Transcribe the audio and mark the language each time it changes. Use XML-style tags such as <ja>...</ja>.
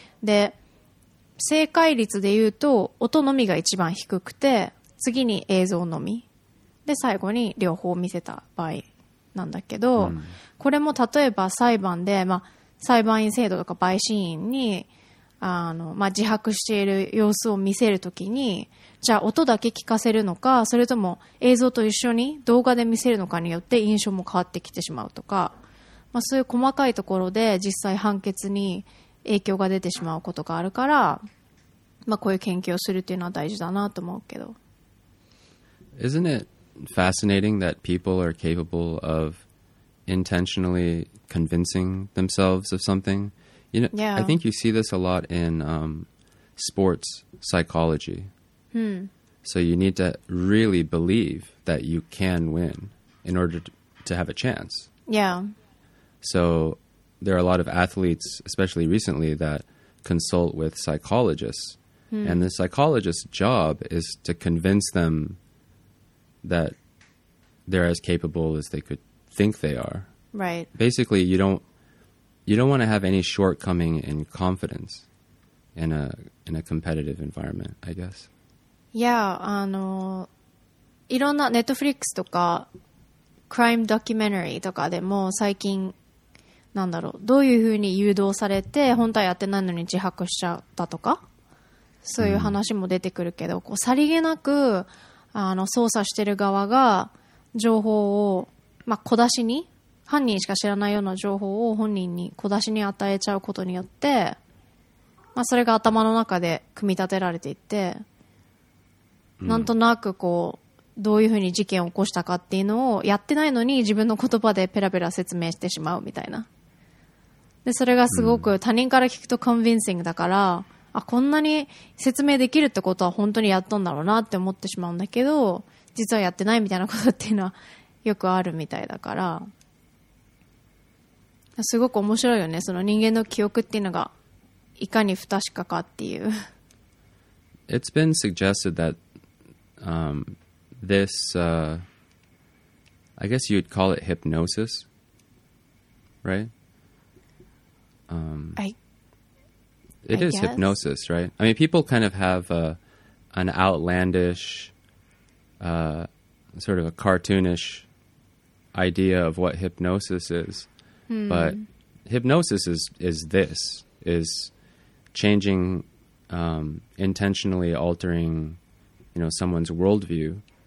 <ja>で、正解率で言うと音のみが一番低くて、次に映像のみで最後に両方見せた場合なんだけど、これも例えば裁判で、まあ裁判員制度とか陪審員にまあ、自白している様子を見せるときに、じゃあ音だけ聞かせるのか、それとも映像と一緒に動画で見せるのかによって印象も変わってきてしまうとか、まあ、そういう細かいところで実際判決に影響が出てしまうことがあるから、まあ、こういう研究をするというのは大事だなと思うけど。</ja> <en>Isn't it fascinating that people are capable of intentionally convincing themselves of something? You know, yeah. I think you see this a lot in sports psychology. Hmm. So you need to really believe that you can win in order to have a chance. Yeah. So there are a lot of athletes, especially recently, that consult with psychologists. Hmm. And the psychologist's job is to convince them that they're as capable as they could think they are. Right. Basically, you don't want to have any shortcoming in confidence in a competitive environment, I guess.</en> <ja>Yeah, いろんな Netflix とか</ja> <en>crime documentary</en> <ja>とかでも最近、なんだろう、どういうふうに誘導されて本当はやってないのに自白しちゃったとか、そういう話も出てくるけど、こうさりげなく捜査してる側が情報を、まあ、小出しに、犯人しか知らないような情報を本人に小出しに与えちゃうことによって、まあ、それが頭の中で組み立てられていって、うん、なんとなくこうどういうふうに事件を起こしたかっていうのをやってないのに自分の言葉でペラペラ説明してしまうみたいな。で、それがすごく他人から聞くとコンビンシングだから、うん、あ、こんなに説明できるってことは本当にやっとんだろうなって思ってしまうんだけど、実はやってないみたいなことっていうのはよくあるみたいだから、すごく面白いよね、その人間の記憶っていうのがいかに不確かかっていう。</ja> <en>It's been suggested that this I guess you'd call it hypnosis, right? It is hypnosis, right? I mean, people kind of have an outlandish sort of a cartoonish idea of what hypnosis isBut hypnosis is changing, intentionally altering, you know, someone's worldview.</en>